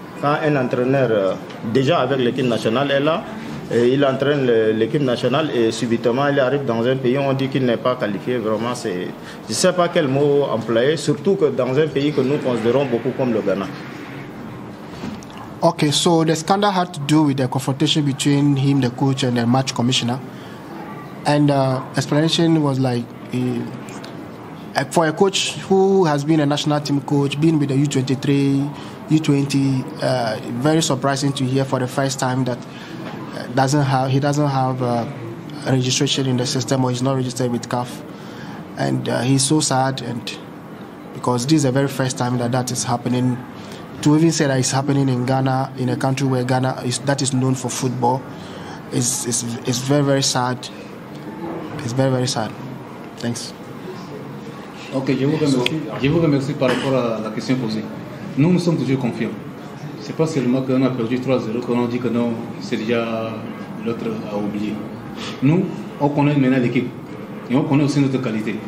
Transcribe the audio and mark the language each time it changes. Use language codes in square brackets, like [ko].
[fr] Quand un entraîneur, déjà avec l'équipe nationale, est là, et il entraîne l'équipe nationale et subitement il arrive dans un pays où on dit qu'il n'est pas qualifié. Vraiment, je ne sais pas quel mot employer, surtout que dans un pays que nous considérons beaucoup comme le Ghana. [en] Okay, so the scandal had to do with the confrontation between him, the coach, and the match commissioner. And the explanation was like, for a coach who has been a national team coach, been with the U23, U20, very surprising to hear for the first time that he doesn't have registration in the system or he's not registered with CAF. And he's so sad, and because this is the very first time that is happening. To even say that it's happening in Ghana, in a country where Ghana is known for football, is very, very sad. It's very, very sad. Thanks. [fr] Ok, je vous remercie. Je vous remercie par rapport à la question posée. Nous, nous sommes toujours confiants. Ce n'est pas seulement qu'on a perdu 3-0 qu'on dit que non, c'est déjà l'autre à oublier. Nous, on connaît maintenant l'équipe. Et on connaît aussi notre qualité.